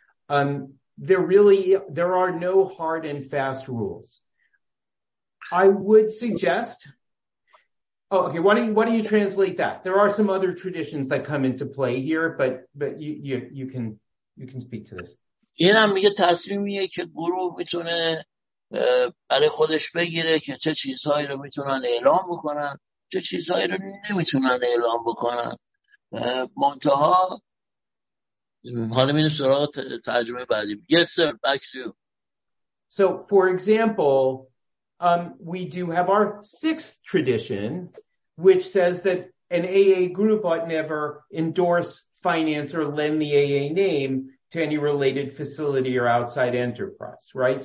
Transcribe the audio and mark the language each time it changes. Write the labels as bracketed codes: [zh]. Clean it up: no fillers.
[en] There are no hard and fast rules. I would suggest. Oh, okay. Why don't you translate that? There are some other traditions that come into play here, but you can speak to this. [fa] این هم یه تصمیمیه که گروه میتونه برای خودش بگیره که چه چیزهایی رو میتونن اعلام بکنن، چه چیزهایی رو نمیتونن اعلام بکنن. منتها حالا میره سراغ ترجمه بعدی. [en] Yes, sir. Back to you. So, for example. We do have our sixth tradition, which says that an AA group ought never endorse, finance, or lend the AA name to any related facility or outside enterprise, right?